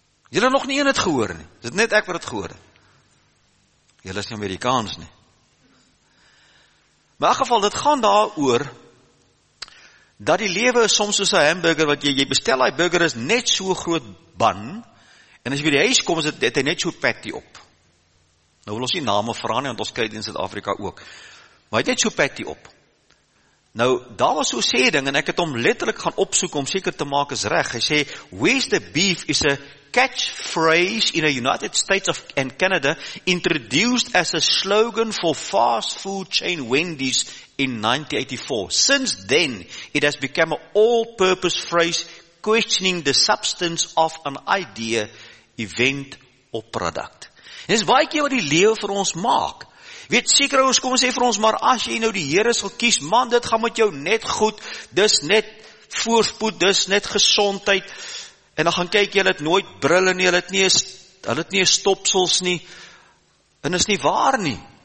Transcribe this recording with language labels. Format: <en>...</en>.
<af>Jy het nog nie een het gehoor nie, dit net ek wat het gehoor. Jy is nie Amerikaans nie. Maar in elk geval, dit gaan daar oor, dat die lewe is soms soos een hamburger, wat jy bestel, die burger is net so groot bun, en as jy by die huis kom, het hy net so patty op. Nou wil ons die name vraan, want ons kry dit in Suid-Afrika ook. Maar hy het net so patty op. Nou, daar was so sê ding, en ek het hom letterlijk gaan opsoek, om seker te maak is reg. Hy sê,</af> <en>where's the beef is a catchphrase in the United States of and Canada, introduced as a slogan for fast food chain Wendy's in 1984. Since then, it has become an all-purpose phrase questioning the substance of an idea, event or product.</en> <af>En dis baie keer wat die lewe vir ons maak. Weet, sekere ons kom en sê vir ons, maar as jy nou die Here sal kies, man, dit gaan met jou net goed, dis net voorspoed, dis net gezondheid, en dan gaan kyk, jy het nooit brille nie, hulle het nie stopsels nie, en is nie waar nie.</af>